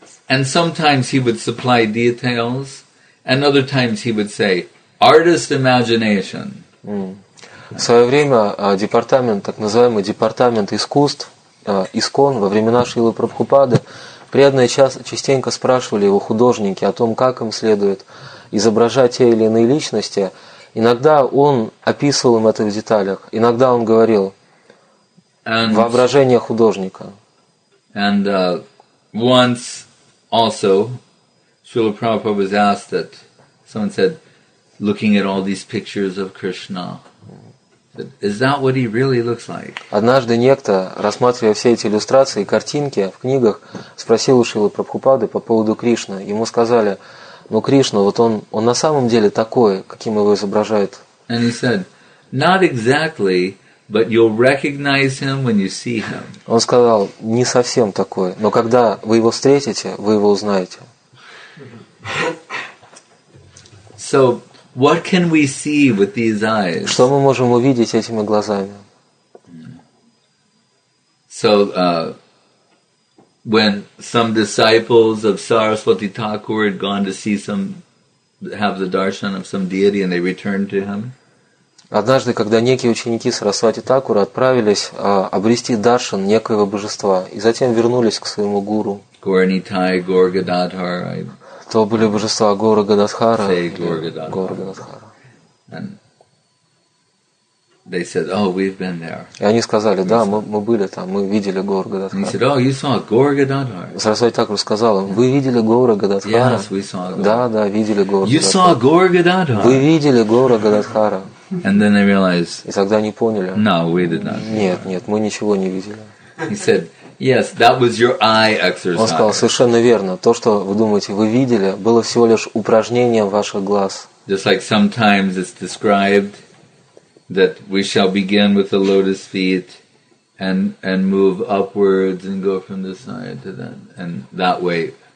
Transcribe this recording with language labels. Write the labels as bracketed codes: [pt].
[en] And sometimes he would supply details, and other times he would say, artist imagination. [ru] В свое время департамент, так называемый департамент искусств, ИСКОН, во времена Шрилы Прабхупады, преданные частенько спрашивали его, художники, о том, как им следует изображать те или иные личности. Иногда он описывал им это в деталях, иногда он говорил, [en] and, [ru] воображение художника. [en] And once also Srila Prabhupada was asked that someone said, looking at all these pictures of Krishna, is that what he really looks like? [ru] Однажды некто, рассматривая все эти иллюстрации, картинки в книгах, спросил у Шрилы Прабхупады по поводу Кришны. Ему сказали, ну Кришна, вот он на самом деле такой, каким его изображают. [en] And he said, not exactly, but you'll recognize him when you see him. [ru] Он сказал, не совсем такой, но когда вы его встретите, вы его узнаете. [en] So, what can we see with these eyes? [ru] Что мы можем увидеть этими глазами? [en] So, when some disciples of Saraswati Thakur had gone to see some, have the darshan of some deity, and they returned to him. [ru] Однажды, когда некие ученики Сарасвати Такура отправились обрести даршан некоего божества и затем вернулись к своему гуру, Горнитай, Горгададхар, то были божества Гора Гададхара и Гора Гададхара. [en] They said, oh, we've been there. [ru] И они сказали, да, мы были там, мы видели Гора Гададхара. [en] He said, oh, you saw Gaura Gadadhara. [ru] Сарасвати Такур сказал, вы видели Гора Гададхара? [en] Yes, we saw. [ru] Да, да, видели Гора [en] Гададхара. You saw Gaura Gadadhara. [ru] Вы видели Гора Гададхара. [en] And then they realized. [ru] И тогда они поняли. [en] No, we did not. [ru] Нет, нет, мы ничего не видели. [en] He said, yes, that was your eye exercise. [ru] Он сказал, совершенно верно. То, что вы думаете, вы видели, было всего лишь упражнением ваших глаз. [en] Just like sometimes it's described that we shall begin with the lotus feet and move upwards and go from this side to that, and that way.